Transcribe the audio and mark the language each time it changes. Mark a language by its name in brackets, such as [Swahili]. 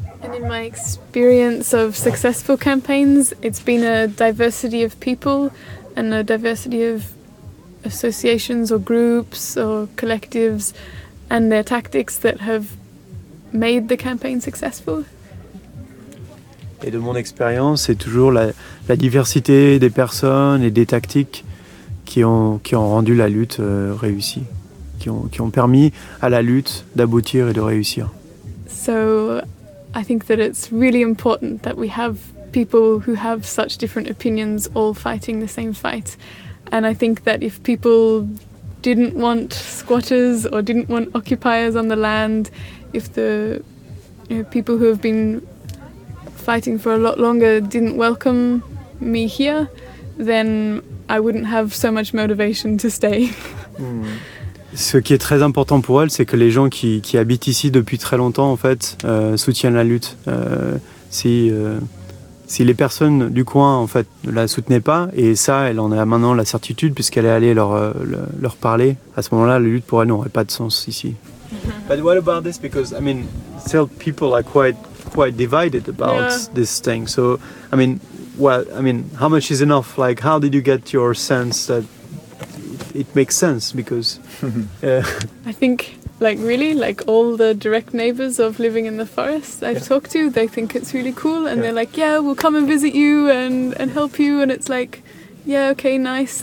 [English] And in my experience of successful campaigns, it's been a diversity of people and a diversity of associations or groups or collectives and their tactics that have made the campaign successful. [French] Et de mon expérience, c'est toujours la diversité des personnes et des tactiques qui ont rendu la lutte réussie, qui ont permis à la lutte d'aboutir et de réussir. [English] So I think that it's really important that we have people who have such different opinions all fighting the same fight. And I think that if people didn't want squatters or didn't want occupiers on the land, if the people who have been fighting for a lot longer didn't welcome me here, then I wouldn't have so much motivation to stay. [French] Ce qui est très important pour elle, c'est que les gens qui habitent ici depuis très longtemps, en fait, soutiennent la lutte. Si les personnes du coin, en fait, ne la soutenaient pas, et ça, elle en a maintenant la certitude, puisqu'elle est allée leur parler, à ce moment-là, la lutte pour elle n'aurait pas de sens ici. [English] But what about this? Because, I mean, still people are quite divided about this thing. So, I mean, how much is enough? Like, how did you get your sense that it makes sense? Because I think, like, really, like, all the direct neighbors of living in the forest I've talked to, they think it's really cool, and they're like, yeah, we'll come and visit you and help you, and it's like, yeah, okay, nice.